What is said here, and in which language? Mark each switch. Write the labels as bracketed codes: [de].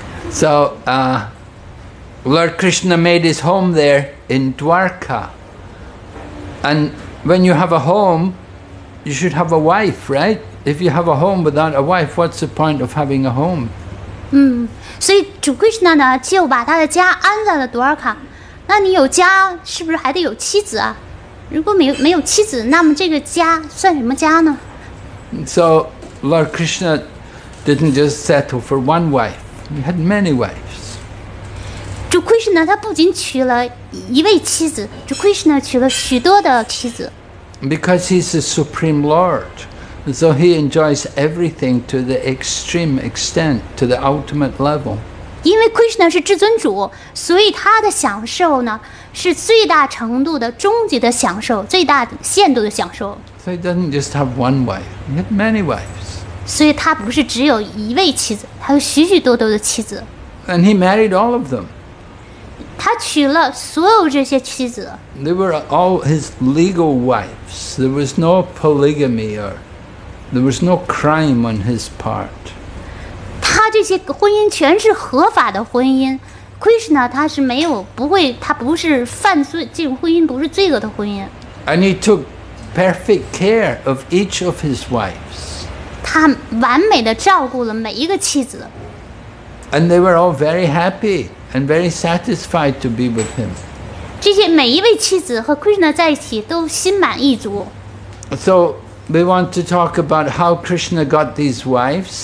[en] So, Lord Krishna made his home there in Dwarka. And when you have a home, you should have a wife, right? If you have a home without a wife, what's the point of having a home? [zh] 所以主 Krishna 呢，就把他的家安在了多尔卡。那你有家，是不是还得有妻子啊？如果没有妻子，那么这个家算什么家呢？ [en] So Lord Krishna didn't just settle for one wife. He had many wives. [zh] 主 Krishna 他不仅娶了一位妻子，主 Krishna 娶了许多的妻子。 [en] Because he's the supreme lord. So he enjoys everything to the extreme extent, to the ultimate level. [zh] 因为 Krishna 是至尊主， 所以他的享受呢， 是最大程度的终极的享受， 最大限度的享受。 [en] So he doesn't just have one wife, he had many wives. [zh] 所以他不是只有一位妻子， 他有许许多多的妻子。 [en] And he married all of them. [zh] 他娶了所有这些妻子。 [en] They were all his legal wives. There was no polygamy or there was no crime on his part. [zh] 他这些婚姻全是合法的婚姻， Krishna 他是没有不会，他不是犯罪，这种婚姻不是罪恶的婚姻。 [en] And he took perfect care of each of his wives. [zh] 他完美地照顾了每一个妻子。 [en] And they were all very happy and very satisfied to be with him. [zh] 这些每一位妻子和 Krishna 在一起都心满意足。 [en] So we want to talk about how Krishna got these wives.